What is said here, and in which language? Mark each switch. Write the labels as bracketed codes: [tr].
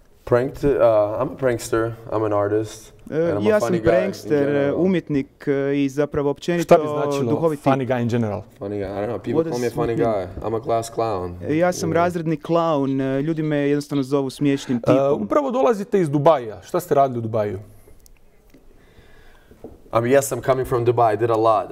[en] I'm a prankster, I'm an artist, and I'm a funny prankster, guy [hr] umjetnik i zapravo općenito duhoviti. Šta bi značilo duhoviti? [en] Funny guy in general? Funny guy, I don't know, people call me a funny guy. I'm a class clown. [hr] Ja sam razredni clown, ljudi me jednostavno zovu smiješnim tipom. Upravo dolazite iz Dubaja, šta ste radili u Dubaju? [en] I mean, yes, I'm coming from Dubai, I did a lot.